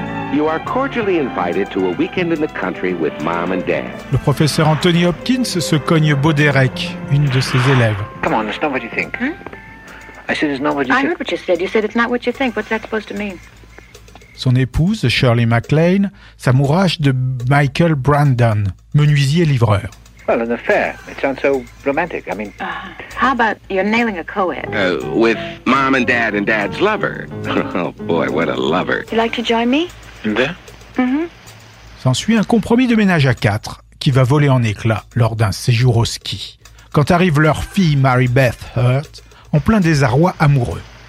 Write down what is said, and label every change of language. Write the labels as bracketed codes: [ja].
[en] You are cordially invited to a weekend in the country with mom and dad. [fr] Le professeur Anthony Hopkins se cogne Boderek, une de ses élèves. [en] Come on, it's not what you think. I said it's not what you think. I heard what you said. You said it's not what you think. What's that supposed to mean? [fr] Son épouse, Shirley MacLaine, s'amourache de Michael Brandon, menuisier-livreur. [en] Well, an affair. It sounds so romantic. I mean... How about you're nailing a co-ed? With mom and dad and dad's lover. Oh boy, what a lover. You'd like to join me? [fr] S'ensuit un compromis de ménage à quatre qui va voler en éclats lors d'un séjour au ski. Quand arrive leur fille Mary Beth Hurt, en plein désarroi amoureux.